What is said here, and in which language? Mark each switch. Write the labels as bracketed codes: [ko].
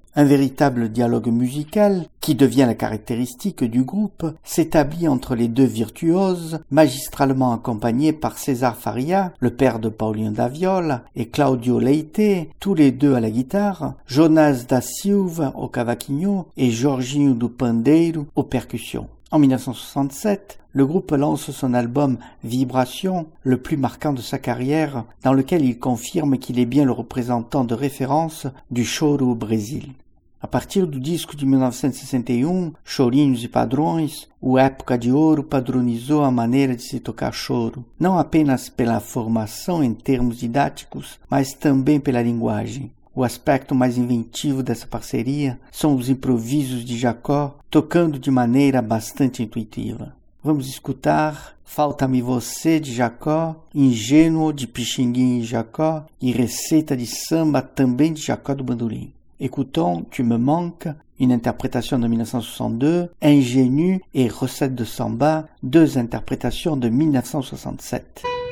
[fr] Un véritable dialogue musical, qui devient la caractéristique du groupe, s'établit entre les deux virtuoses, magistralement accompagnés par César Faria, le père de Paulinho da Viola, et Claudio Leite, tous les deux à la guitare, Jonas da Silva au cavaquinho et Jorginho do Pandeiro aux percussions. En 1967, le groupe lance son album Vibration, le plus marquant de sa carrière, dans lequel il confirme qu'il est bien le représentant de référence du choro au Brésil. À partir du disque de 1961, [pt] Chorinhos e Padrões, ou Época de Ouro padronizou a maneira de se tocar choro, não apenas pela formação em termos didáticos, mas também pela linguagem. O aspecto mais inventivo dessa parceria são os improvisos de Jacó tocando de maneira bastante intuitiva. Vamos escutar Falta-me Você de Jacó, Ingênuo de Pixinguinha e Jacó e Receita de Samba também de Jacó do Bandolim. [fr] Écoutons Tu me manques, une interprétation de 1962, Ingénu et Recette de Samba, deux interprétations de 1967.